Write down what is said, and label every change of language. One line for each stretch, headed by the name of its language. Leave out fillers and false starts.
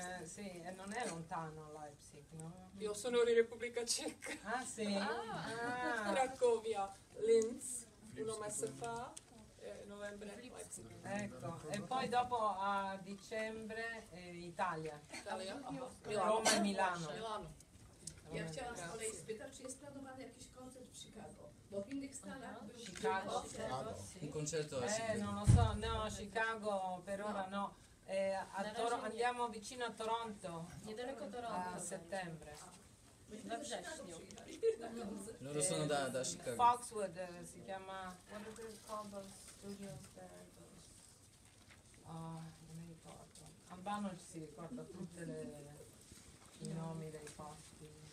Italian: Sì, e non è lontano Leipzig, no? Io sono di Repubblica Ceca. Ah, sì. Cracovia, Linz, uno mese fa, novembre Leipzig. Ecco, e poi dopo a dicembre Italia. Italia. Roma e Milano.
Polish: Ja chciałam z kolei spytać, czy jest planowany jakiś koncert w Chicago? Bo w innych Stanach był Chicago.
Italian: Un concerto a Chicago. Non lo so, no, Chicago per ora no. Andiamo vicino a Toronto.
Polish: Niedaleko Toronto.
Italian: A settembre.
Polish: We wrześniu.
Italian: Loro sono da Chicago. Foxwood si chiama.
English: What are they called, those studios there?
Italian: Non mi ricordo. Albano si ricorda tutte le i nomi dei posti.